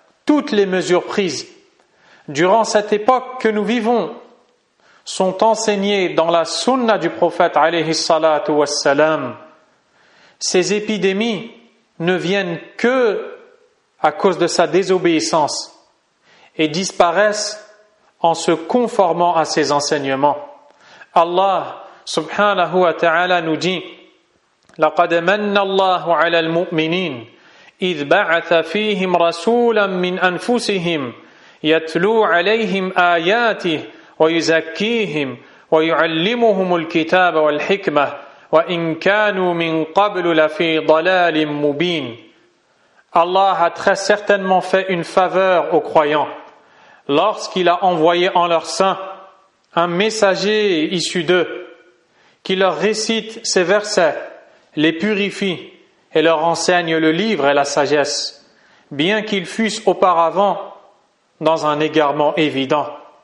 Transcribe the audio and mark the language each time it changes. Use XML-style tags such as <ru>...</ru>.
<fr>Toutes les mesures prises durant cette époque que nous vivons sont enseignées dans la sunna du prophète</fr> <ar>alayhi salatu wa sallam.</ar> <fr>Ces épidémies ne viennent que à cause de sa désobéissance et disparaissent en se conformant à ses enseignements. Allah subhanahu wa ta'ala nous dit</fr> <ar>« لقد من الله على المؤمنين إذ بعث فيهم رسولا من أنفسهم يتلو عليهم آياته ويزكيهم ويعلمهم الكتاب والحكمة وإن كانوا من قبل لفي ضلال مبين »</ar> <fr>Allah a très certainement fait une faveur aux croyants lorsqu'il a envoyé en leur sein un messager issu d'eux, qui leur récite ces versets, les purifie et leur enseigne le livre et la sagesse, bien qu'ils fussent auparavant dans un égarement évident.</fr>